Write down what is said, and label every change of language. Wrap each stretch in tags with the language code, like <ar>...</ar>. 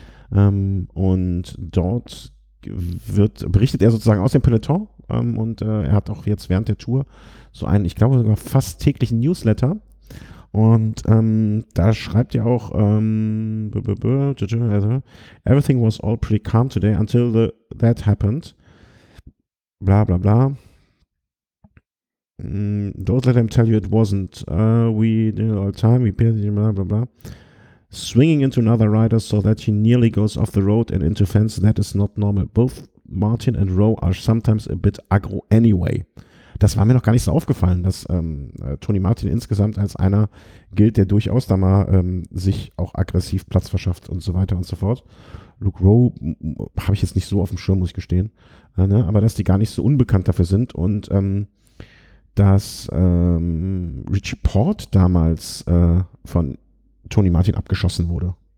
<de>und dort berichtet er sozusagen aus dem Peloton, und er hat auch jetzt während der Tour so einen, ich glaube sogar fast täglichen Newsletter, und da schreibt er auch,</de> <en>everything was all pretty calm today until that happened, bla bla</en> <de>bla.</de> <en>Don't let them tell you it wasn't. We did it all the time. We paid it, blah, blah, blah. Swinging into another rider so that he nearly goes off the road and into fence, that is not normal. Both Martin and Rowe are sometimes a bit aggro anyway.</en> <de>Das war mir noch gar nicht so aufgefallen, dass Toni Martin insgesamt als einer gilt, der durchaus da mal sich auch aggressiv Platz verschafft und so weiter und so fort. Luke Rowe habe ich jetzt nicht so auf dem Schirm, muss ich gestehen. Ne? Aber dass die gar nicht so unbekannt dafür sind und dass Richie Porte damals von Toni Martin abgeschossen wurde.</de>